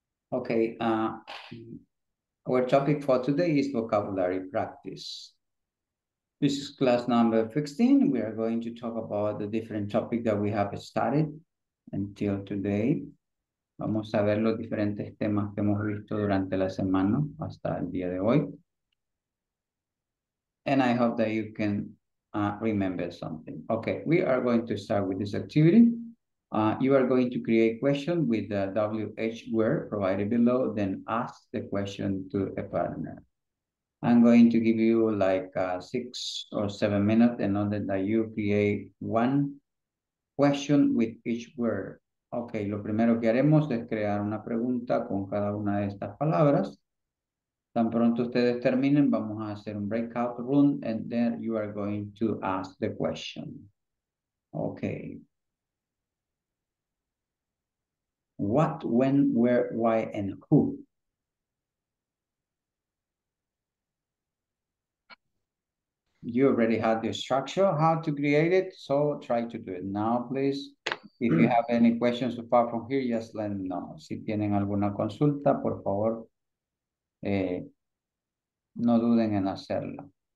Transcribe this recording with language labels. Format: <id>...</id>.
<en>Okay, our topic for today is vocabulary practice. This is class number 16. We are going to talk about the different topics that we have studied until today.</en> <es>Vamos a ver los diferentes temas que hemos visto durante la semana hasta el día de hoy.</es> <en>And I hope that you can remember something. Okay, we are going to start with this activity. You are going to create questions with the WH word provided below, then ask the question to a partner. I'm going to give you like 6 or 7 minutes in order that you create one question with each word.</en> <es>Okay, lo primero que haremos es crear una pregunta con cada una de estas palabras. Tan pronto ustedes terminen, vamos a hacer un breakout room and then you are going to ask the question. Okay.</es> <en>What, when, where, why, and who? You already had the structure how to create it, so try to do it now, please. If you have any questions so far from here, just let me know.</en> <es>Si tienen alguna consulta, por favor, no duden en hacerla.</es>